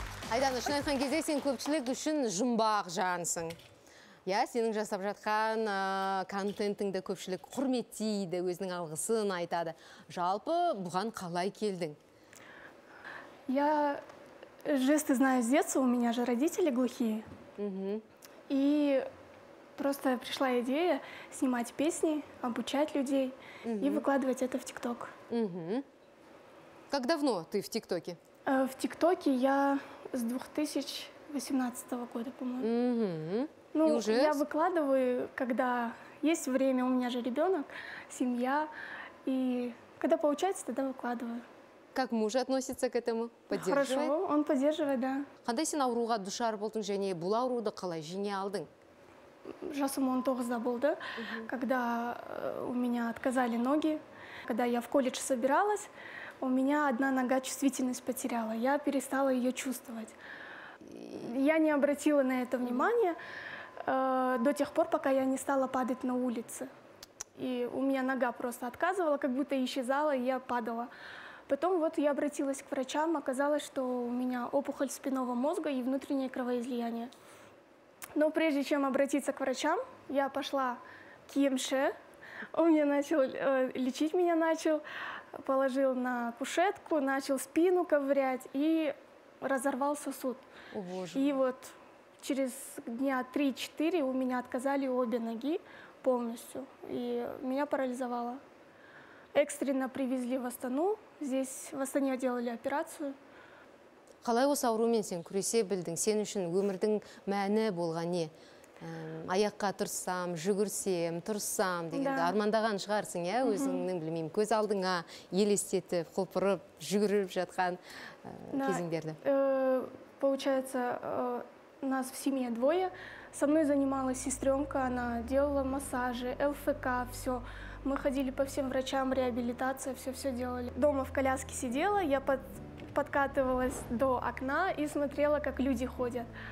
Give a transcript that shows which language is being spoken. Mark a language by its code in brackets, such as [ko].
[kk] Айдана, шын айтқан кезде сен көпшілік үшін жұмбақ жансың. Иә, сенің жасап жатқан контентіңді көпшілік құрметтейді, өзінің алғысын айтады. Жалпы, бұған қалай келдің? [ru] Я жесты знаю с детства, у меня же родители глухие. И просто пришла идея снимать песни, обучать людей и выкладывать это в ТикТок. Как давно ты в ТикТоке? В ТикТоке я с 2018 года, по-моему. Ну, уже... я выкладываю, когда есть время, у меня же ребенок, семья, и когда получается, тогда выкладываю. Как муж относится к этому? Поддерживает? Хорошо, он поддерживает, да. [kk] Қандай сен ауруға душар болдың және бұл ауруды қалай жеңе алдың? Жасым 19-да болды, [ru] когда у меня отказали ноги. Когда я в колледж собиралась, у меня одна нога чувствительность потеряла. Я перестала ее чувствовать. Я не обратила на это внимания до тех пор, пока я не стала падать на улице. И у меня нога просто отказывала, как будто исчезала, и я падала. Потом вот я обратилась к врачам, оказалось, что у меня опухоль спинного мозга и внутреннее кровоизлияние. Но прежде чем обратиться к врачам, я пошла к ЕМШ, он меня начал, лечить меня начал, положил на кушетку, начал спину ковырять и разорвал сосуд. О, боже. И вот через дня 3-4 у меня отказали обе ноги полностью, и меня парализовало. Экстренно привезли в Астану. Здесь в Астане делали операцию. [kk] Қалай осы аурумен сен күресе білдің? Сен үшін өмірдің мәні болған не? Аяққа тұрсам, жүгірсем, тұрсам дегенде армандаған шығарсың, өзіңнің білмеймін, көз алдыңа елестетіп, құлпырып, жүгіріп жатқан кезіңдерді. [ru] Получается, нас в семье двое. Со мной занималась сестренка, она делала массажи, ЛФК, все. Мы ходили по всем врачам, реабилитация, все-все делали. Дома в коляске сидела, я подкатывалась до окна и смотрела, как люди ходят.